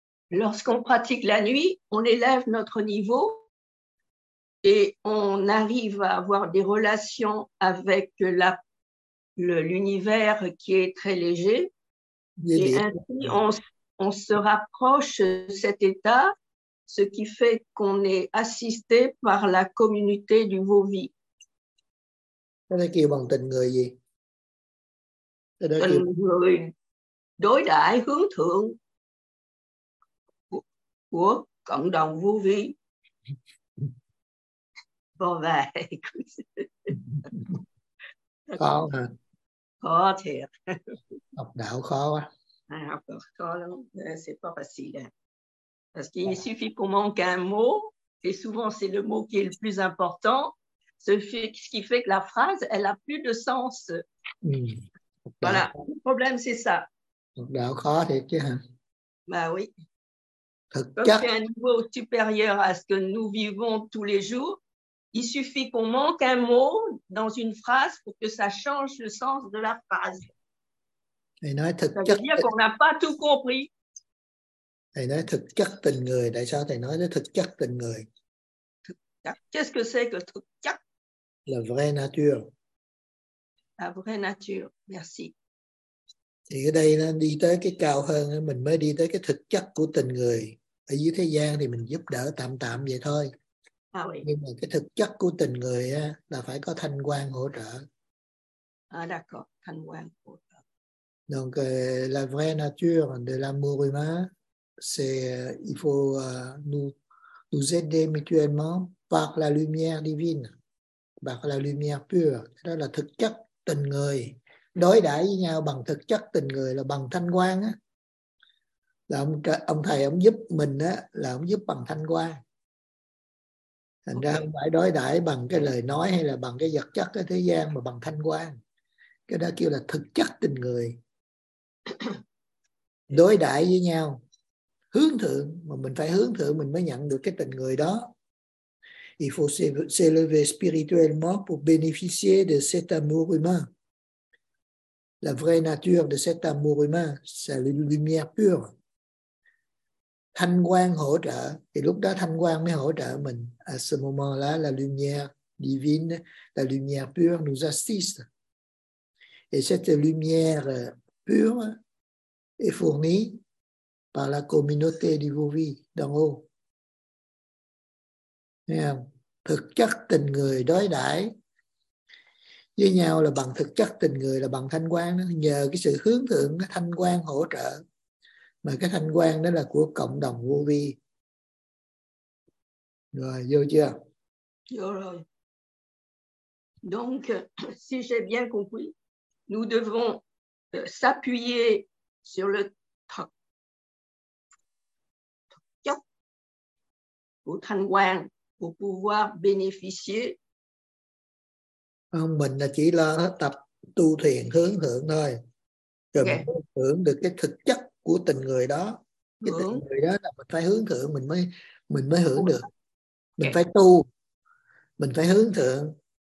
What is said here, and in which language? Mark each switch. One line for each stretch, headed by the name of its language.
French: Lorsqu'on pratique la nuit, on élève notre niveau et on arrive à avoir des relations avec l'univers qui est très léger. Et ainsi, on se rapproche de cet état, ce qui fait qu'on est assisté par la communauté du Vauvi.
Vietnamese: Cái đó kêu bằng tình người gì? Tình kêu... người đối đãi hướng thượng của cộng đồng vô vi. Có vẻ. Khó hả? Khó thiệt. Học đạo khó quá. À, học đạo khó lắm.
French: C'est pas facile. Parce qu'il suffit qu'on manque un mot. Et souvent, c'est le mot qui est le plus important. Ce qui fait que la phrase, elle n'a plus de sens. Voilà, le problème, c'est ça.
Vietnamese: Học đạo khó thiệt chứ hả?
French: Bah oui.
Vietnamese: Thực chất. Comme
French: c'est un niveau supérieur à ce que nous vivons tous les jours, il suffit qu'on manque un mot dans une phrase pour que ça change le sens de la phrase.
Vietnamese: Thầy nói thực
French: chất. Ça veut dire qu'on n'a pas tout compris.
Vietnamese: Thầy nói thực chất tình người. Tại sao thầy nói thực chất tình người?
French: Qu'est-ce que c'est que thực chất? La vraie nature. La vraie nature, merci.
Vietnamese: Thì ở đây nó đi tới cái cao hơn, mình mới đi tới cái thực chất của tình người. Ở dưới thế gian thì mình giúp đỡ tạm tạm vậy thôi.
French: À, oui.
Vietnamese: Nhưng mà cái thực chất của tình người là phải có thanh quang hỗ trợ.
French: À, d'accord,
Vietnamese: thanh quang hỗ trợ.
French: Donc, la vraie nature de l'amour humain, c'est il faut nous aider mutuellement par la lumière divine, par la lumière pure.
Vietnamese: Đó là thực chất tình người. Đối đãi với nhau bằng thực chất tình người là bằng thanh quang á. Là ông thầy ông giúp mình á, là ông giúp bằng thanh quang. Thành ra không phải đối đãi bằng cái lời nói hay là bằng cái vật chất ở thế gian mà bằng thanh quang. Cái đó kêu là thực chất tình người. đối đãi với nhau hướng thượng, mà mình phải hướng thượng mình mới nhận được cái tình người đó.
French: Il faut s'élever spirituellement pour bénéficier de cet amour humain. La vraie nature de cet amour humain, c'est la lumière pure.
Vietnamese: Thanh quang hỗ trợ, thì lúc đó thanh quang mới hỗ trợ mình.
French: À ce moment-là, la lumière divine, la lumière pure nous assiste. Et cette lumière pure est fournie par la communauté de vos vies d'en haut.
Vietnamese: Thực chất tình người đối đãi với nhau là bằng thực chất tình người, là bằng thanh quang đó. Nhờ cái sự hướng thượng, cái thanh quang hỗ trợ, mà cái thanh quang đó là của cộng đồng vô vi. Rồi, vô chưa? Vô rồi.
French: Donc, si j'ai bien compris, nous devons s'appuyer sur le
Vietnamese: thực chất của thanh quang
French: pour pouvoir bénéficier.
Vietnamese: Không, mình là chỉ là tập tu thiền hướng thượng thôi. Rồi okay. Mình hưởng được cái thực chất của tình người đó. Cái hướng. Tình người đó là mình phải hướng thượng mình mới hưởng được. Mình okay. Phải tu. Mình phải hướng thượng.